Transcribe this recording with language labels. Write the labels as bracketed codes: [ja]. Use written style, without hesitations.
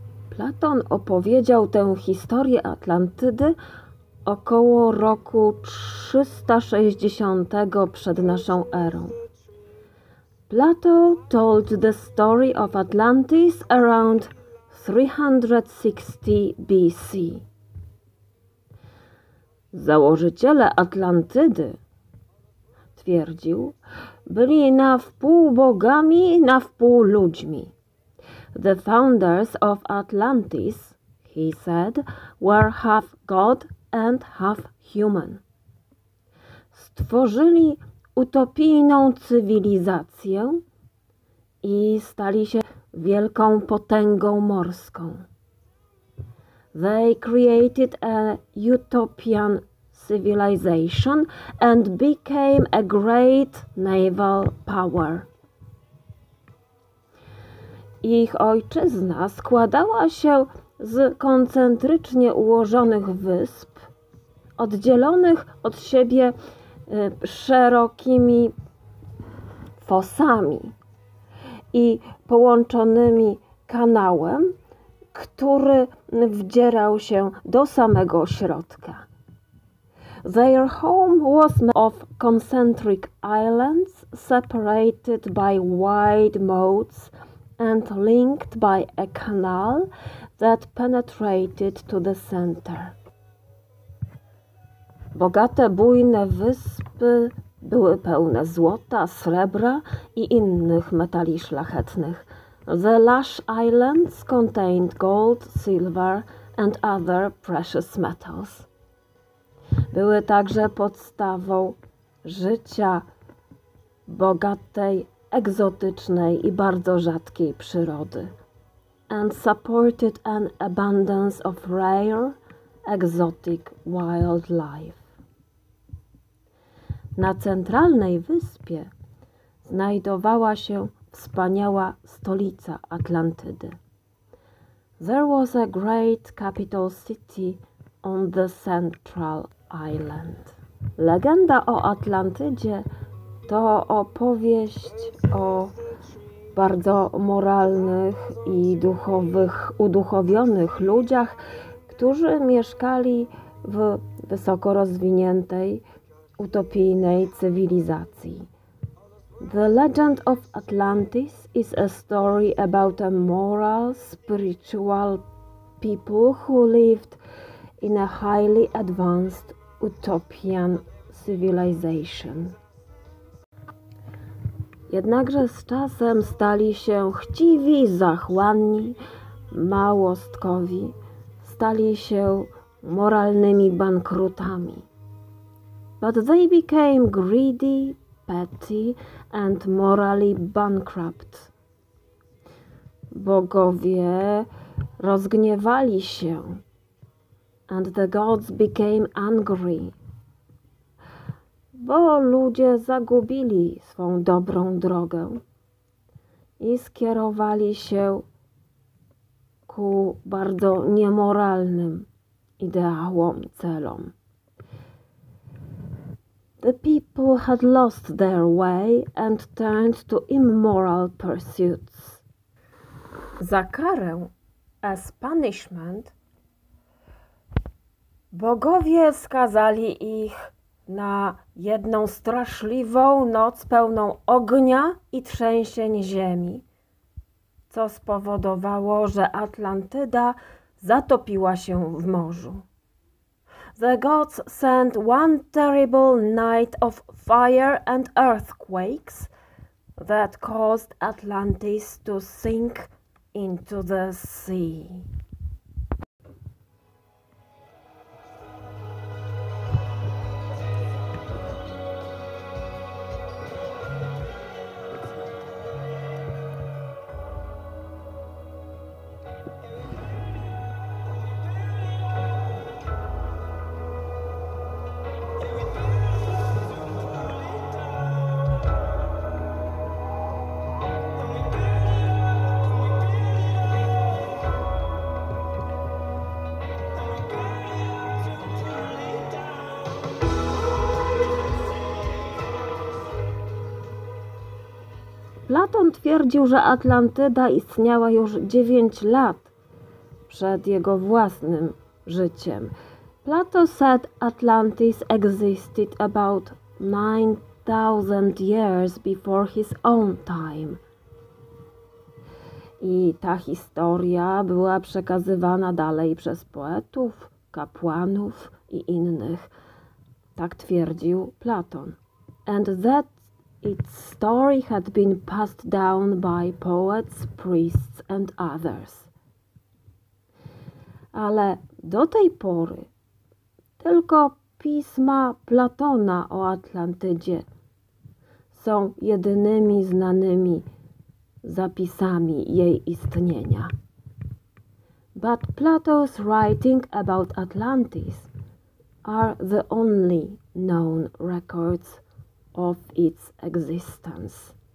[pl] Platon opowiedział tę historię Atlantydy około roku 360 przed naszą erą. [en] Plato told the story of Atlantis around 360 BC. [pl] Założyciele Atlantydy, twierdził, byli na wpół bogami, na wpół ludźmi. [en] The founders of Atlantis, he said, were half god and half human. [pl] Stworzyli utopijną cywilizację i stali się wielką potęgą morską. [en] They created a utopian civilization and became a great naval power. [pl] Ich ojczyzna składała się z koncentrycznie ułożonych wysp, oddzielonych od siebie szerokimi fosami i połączonymi kanałem, który wdzierał się do samego środka. [en] Their home was made of concentric islands separated by wide moats and linked by a canal that penetrated to the center. [pl] Bogate, bujne wyspy były pełne złota, srebra i innych metali szlachetnych. [en] The lush islands contained gold, silver and other precious metals. [pl] Były także podstawą życia bogatej, egzotycznej i bardzo rzadkiej przyrody. [en] And supported an abundance of rare, exotic wildlife. [pl] Na centralnej wyspie znajdowała się wspaniała stolica Atlantydy. [en] There was a great capital city on the central island. [pl] Legenda o Atlantydzie to opowieść o bardzo moralnych i duchowych, uduchowionych ludziach, którzy mieszkali w wysoko rozwiniętej, utopijnej cywilizacji. [en] The Legend of Atlantis is a story about a moral, spiritual people who lived in a highly advanced utopian civilization. [pl] Jednakże z czasem stali się chciwi, zachłanni, małostkowi, stali się moralnymi bankrutami. [en] But they became greedy, petty and morally bankrupt. [pl] Bogowie rozgniewali się. [en] And the gods became angry. [pl] Bo ludzie zagubili swą dobrą drogę i skierowali się ku bardzo niemoralnym ideałom, celom. [en] The people had lost their way and turned to immoral pursuits. [pl] Za karę, [en] as punishment, [pl] bogowie skazali ich na jedną straszliwą noc pełną ognia i trzęsień ziemi, co spowodowało, że Atlantyda zatopiła się w morzu. [en] The gods sent one terrible night of fire and earthquakes that caused Atlantis to sink into the sea. [pl] Platon twierdził, że Atlantyda istniała już 9 lat przed jego własnym życiem. [en] Plato said Atlantis existed about 9,000 years before his own time. [pl] I ta historia była przekazywana dalej przez poetów, kapłanów i innych. Tak twierdził Platon. [en] And that its story had been passed down by poets, priests and others. [pl] Ale do tej pory tylko pisma Platona o Atlantydzie są jedynymi znanymi zapisami jej istnienia. [en] But Plato's writing about Atlantis are the only known records of its existence.